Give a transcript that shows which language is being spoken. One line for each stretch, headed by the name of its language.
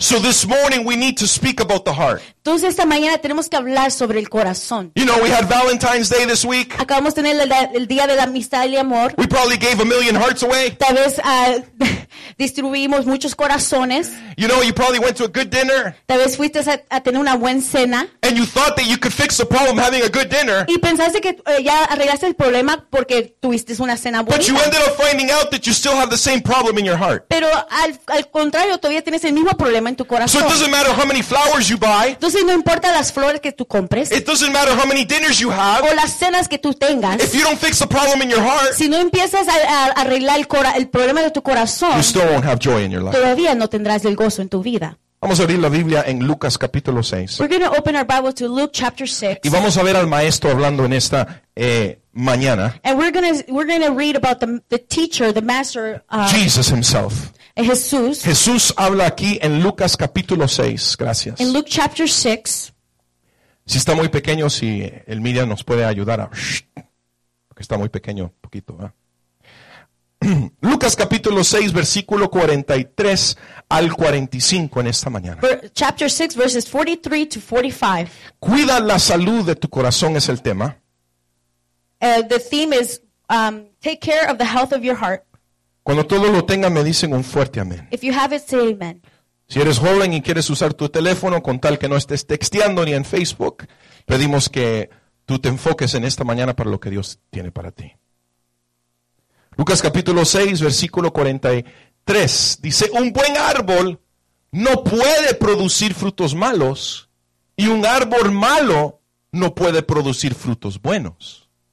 English: So this morning we need to speak about the heart.
Spanish: Entonces esta mañana tenemos que hablar sobre el corazón.
English: You know, we had Valentine's Day this week.
Spanish: Acabamos de tener el día de la amistad y amor.
English: We probably gave a million hearts away.
Spanish: Tal vez distribuimos muchos corazones.
English: You know, you probably went to a good dinner.
Spanish: Tal vez fuiste a tener una buena cena.
English: And you thought that you could fix the problem having a good dinner.
Spanish: Y pensaste que ya arreglaste el problema porque tuviste una cena buena.
English: But you ended up finding out that you still have the same problem in your heart.
Spanish: Pero al contrario, todavía tienes el mismo problema en tu corazón.
English: So it doesn't matter how many flowers you buy.
Spanish: Entonces no importa las flores que tú compres.
English: It doesn't matter how many dinners you have.
Spanish: O las cenas que tú tengas.
English: If you don't fix the problem in your heart,
Spanish: si no empiezas a arreglar el problema de tu corazón,
English: you still won't have joy in your life.
Spanish: Todavía no tendrás el gozo en tu vida. Vamos a abrir la Biblia en Lucas capítulo 6.
English: We're going to open our Bible to Luke chapter 6.
Spanish: Y vamos a ver al maestro hablando en esta mañana.
English: And we're going to read about the teacher, the master, Jesus himself.
Spanish: Jesús. Jesús habla aquí en Lucas capítulo 6. Gracias.
English: In Luke chapter 6.
Spanish: Si está muy pequeño, si el media nos puede ayudar a porque está muy pequeño, poquito, ¿eh? Lucas capítulo 6, versículo 43 al 45 en esta mañana.
English: Chapter 6, verses 43 to 45.
Spanish: Cuida la salud de tu corazón es el tema.
English: The theme is, take care of the health of your heart.
Spanish: Cuando todo lo tenga, me dicen un fuerte amén.
English: If you have it, say amen.
Spanish: Si eres joven y quieres usar tu teléfono, con tal que no estés texteando ni en Facebook, pedimos que tú te enfoques en esta mañana para lo que Dios tiene para ti. Lucas capítulo 6, versículo 43, dice, un buen árbol no puede producir frutos malos, y un árbol malo no puede producir frutos buenos.